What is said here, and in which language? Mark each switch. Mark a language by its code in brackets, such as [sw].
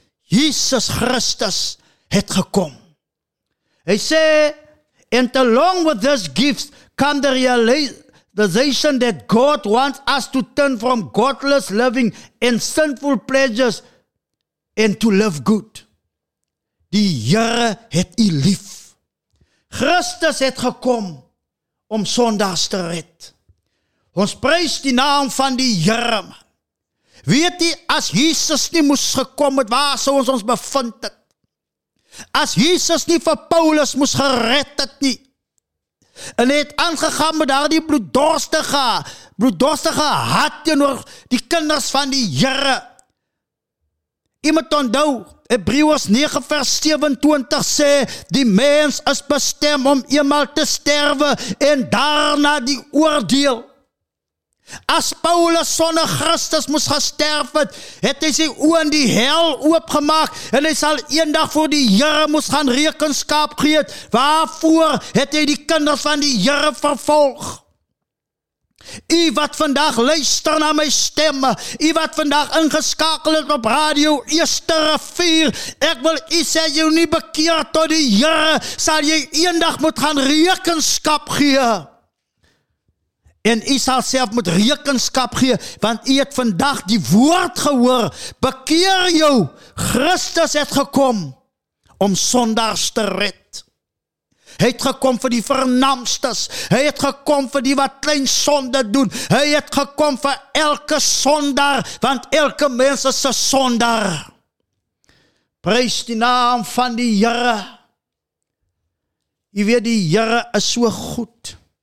[af] Jesus Christus het gekom. Hy sê, [en] and along with this gift come the realization that God wants us to turn from godless living and sinful pleasures and to love good. [af] Die Here het u lief. Christus het gekom om sondaars te red. Ons prys die naam van die Here. Weet jy, as Jesus nie moes gekom het, waar sou ons bevind het? As Jesus nie vir Paulus moes gered het nie, en het aangegaan met daar die bloeddorstige hart teenoor die kinders van die Here. Jy moet onthou, Hebreërs 9 vers 27 sê, die mens is bestem om eenmaal te sterwe en daarna die oordeel. As Paulus sonder Christus moes gesterf het, het hy sy oë in die hel oopgemaak en hy sal eendag voor die Here moes gaan rekenskap gee. Waarvoor het hy die kinders van die Here vervolg? U wat vandag luister na my stemme, u wat vandag ingeskakel het op radio Eester 4, ek wil u sê, jy nie bekeer tot die Here, sal jy eendag moet gaan rekenskap gee. En u sal self moet rekenskap gee, want u het vandag die woord gehoor, bekeer jou, Christus het gekom om sondaars te red. Hy het gekom vir die vernamstes, hy het gekom vir die wat klein sonde doen, hy het gekom vir elke sondaar, want elke mens is 'n sondaar. Prys die naam van die Here. Jy weet die Here is so goed.